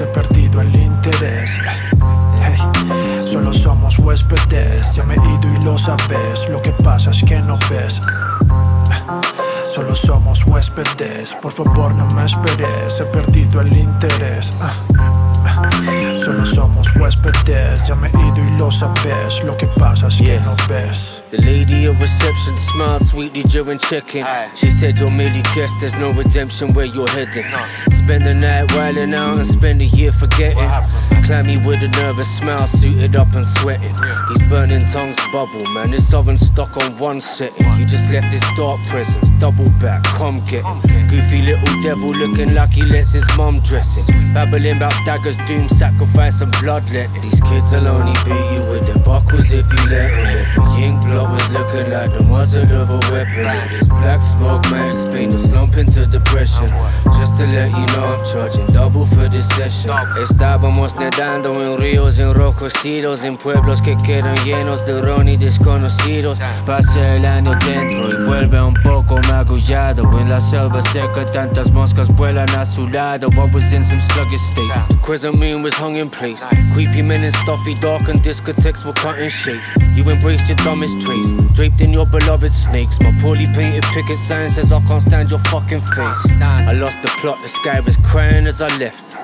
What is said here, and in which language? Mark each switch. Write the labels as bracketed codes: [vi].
[es] He perdido el interés. Hey, solo somos huéspedes, ya me he ido y lo sabes. Lo que pasa es que no ves. Solo somos huéspedes, por favor no me esperes. He perdido el interés. Solo somos huéspedes, ya me he ido y lo sabes. Lo que pasa es que no ves. [en] The lady of reception smiled sweetly during check-in. She said, "Yo, Millie, guess there's no redemption where you're heading." Spend the night wilding out and spend a year forgetting. Clammy with a nervous smile, suited up and sweating. These burning tongues bubble, man, this oven stuck on one setting. You just left his dark presence, double back, come get him. Goofy little devil looking like he lets his mum dress him. Babbling about daggers, doom, sacrifice and bloodletting. These kids will only beat you with their buckles if you let them. Every ink blot was looking like the muzzle of a weapon. This black smoke might explain the slump into depression. Just to let you know I'm charging double for this session. [es] Estábamos nadando en ríos enrojecidos, en pueblos que quedan llenos de ron y desconocidos. Pasé el año dentro y vuelve un poco magullado. En la selva seca tantas moscas vuelan a su lado. [en] I was in some sluggish states, the crescent moon was hung in place. Creepy men in stuffy dark and discotheques were cutting shapes. You embraced your dumbest traits, draped in your beloved snakes. My poorly painted picket sign says I can't stand your fucking face. I lost the plot, the sky was crying as I left.